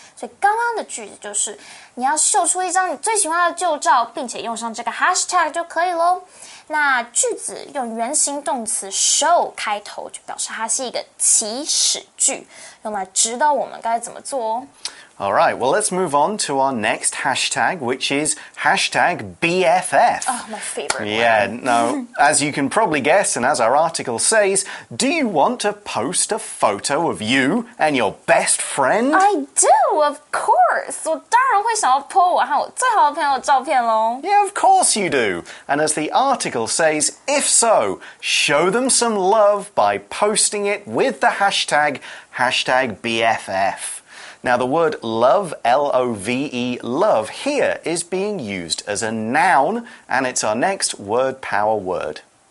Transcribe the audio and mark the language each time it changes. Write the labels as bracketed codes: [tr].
[zh] 所以刚刚的句子就是你要秀出一张你最喜欢的旧照并且用上这个 hashtag 就可以咯。那句子用原形动词 show 开头就表示它是一个祈使句，用来指导我们该怎么做哦。 [en] All right, well, let's move on to our next hashtag, which is hashtag BFF. Oh, my favorite one. Yeah, no, as you can probably guess, and as our article says, do you want to post a photo of you and your best friend? I do, of course. [zh] 我当然会想要 po 我和我最好的朋友的照片咯。 [en] Yeah, of course you do. And as the article says, if so, show them some love by posting it with the hashtag, hashtag BFF. Now, the word love, L-O-V-E, love, here is being used as a noun, and it's our next word power word.